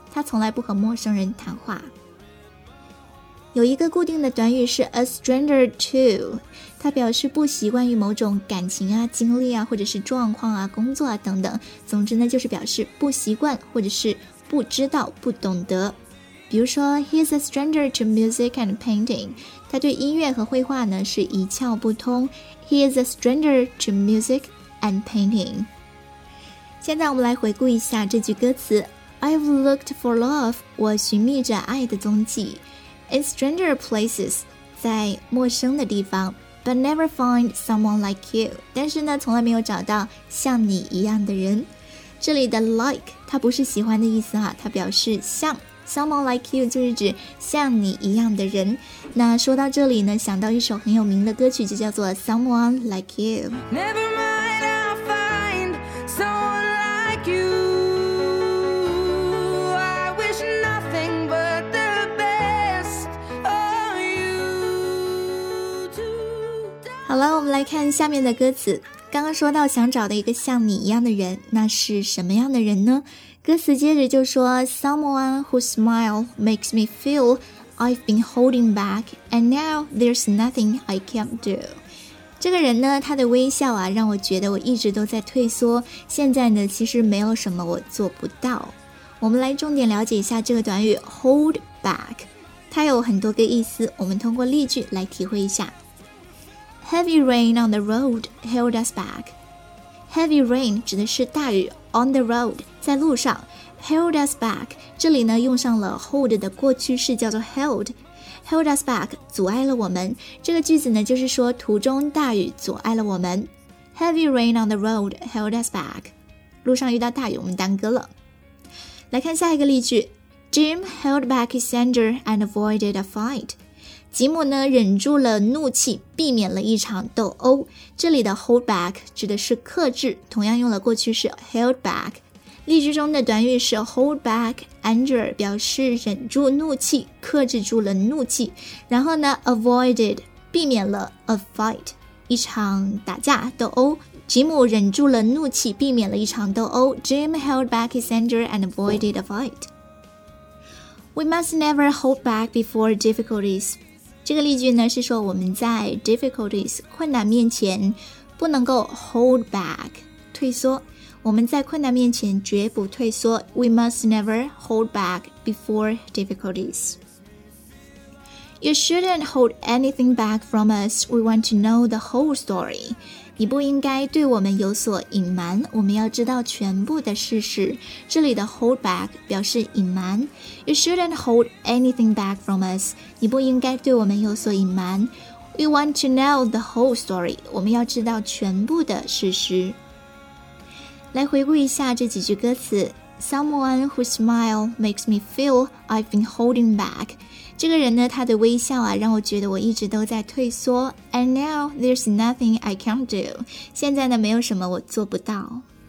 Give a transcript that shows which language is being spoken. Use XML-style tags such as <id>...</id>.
<zh>他从来不和陌生人谈话。有一个固定的短语是 a stranger to， 它表示不习惯于某种感情啊、经历啊、或者是状况啊、工作啊等等。总之呢，就是表示不习惯或者是不知道、不懂得。比如说</zh> <en>，He's a stranger to music and painting.</en> <zh>他对音乐和绘画呢是一窍不通。</zh> <en>He is a stranger to music and painting.</en> <zh>现在我们来回顾一下这句歌词。</zh> <en>I've looked for love.</en> <zh>我寻觅着爱的踪迹。</zh> <en>In stranger places,</en> <zh>在陌生的地方。</zh> <en>But never find someone like you.</en> <zh>但是呢，从来没有找到像你一样的人。这里的 like 它不是喜欢的意思哈，它表示像。 Someone like you 就是指像你一样的人。那说到这里呢，想到一首很有名的歌曲，就叫做 Someone Like You。</zh> <en>Never mind, I'll find someone like you. I wish nothing but the best of you too.</en> <zh>好了，我们来看下面的歌词。刚刚说到想找的一个像你一样的人，那是什么样的人呢？歌词接着就说</zh> <en>Someone whose smile makes me feel I've been holding back and now there's nothing I can do.</en> <zh>这个人呢，他的微笑啊，让我觉得我一直都在退缩，现在呢，其实没有什么我做不到。我们来重点了解一下这个短语 hold back， 它有很多个意思，我们通过例句来体会一下。</zh> <en>Heavy rain on the road held us back. Heavy rain</en> <zh>指的是大雨</zh> <en>on the road</en> <zh>在路上</zh> <en>held us back</en> <zh>这里呢用上了 hold 的过去式叫做 held.</zh> <en>Held us back</en> <zh>阻碍了我们，这个句子呢就是说途中大雨阻碍了我们。</zh> <en>Heavy rain on the road held us back.</en> <zh>路上遇到大雨我们耽搁了。来看下一个例句，</zh> <en>Jim held back his anger and avoided a fight.</en> <zh>吉姆呢忍住了怒气，避免了一场斗殴。这里的 hold back 指的是克制，同样用了过去式 held back。例句中的短语是 hold back anger， 表示忍住怒气，克制住了怒气。然后呢 avoided 避免了 a fight 一场打架斗殴。吉姆忍住了怒气，避免了一场斗殴。</zh> <en>Jim held back his anger and avoided a fight. We must never hold back before difficulties.</en> <zh>这个例句呢是说我们在 difficulties 困难面前不能够 hold back 退缩，我们在困难面前绝不退缩。</zh> <en>We must never hold back before difficulties. You shouldn't hold anything back from us. We want to know the whole story.</en> <zh>你不应该对我们有所隐瞒，我们要知道全部的事实。这里的 hold back 表示隐瞒。</zh> <en>You shouldn't hold anything back from us.</en> <zh>你不应该对我们有所隐瞒。</zh> <en>We want to know the whole story.</en> <zh>我们要知道全部的事实。来回顾一下这几句歌词。</zh> <en>Someone whose smile makes me feel I've been holding back.</en> <zh>这个人呢，他的微笑啊，让我觉得我一直都在退缩。</zh> <en>And now there's nothing I can do.</en> <zh>现在呢，没有什么我做不到。</zh>